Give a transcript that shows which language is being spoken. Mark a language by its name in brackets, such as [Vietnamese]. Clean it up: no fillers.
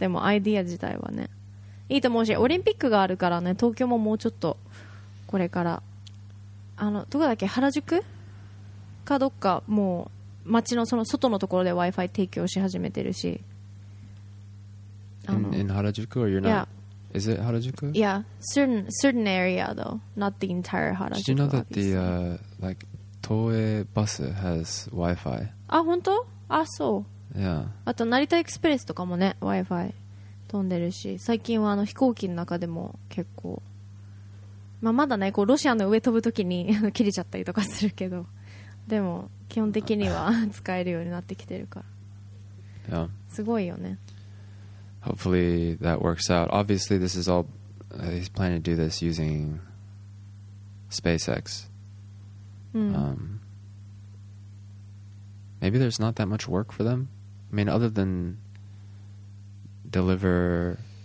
[Japanese] でもアイディア自体はねいいと思うしオリンピックがあるからね東京ももうちょっとこれからあのどこだっけ原宿かどっかもう街のその外のところで Wi-Fi 提供し始めてるし [English] in 原宿 or you're not yeah. Is it 原宿? Yeah, certain area though not the entire 原宿 Did you know that the like 東映バス has Wi-Fi? [Japanese] あ、本当?あ、そう [English] Yeah [Japanese] あと成田エクスプレスとかもね Wi-Fi 飛んでるし最近はあの飛行機の中でも結構まあまだねこうロシアの上飛ぶときに切れちゃったりとかするけどでも基本的には使えるようになってきてるから、 [English] yeah. [Japanese] すごいよね [English] Hopefully that works out. Obviously this is all he's planning to do this using SpaceX、Maybe there's not that much work for them. I mean other than deliver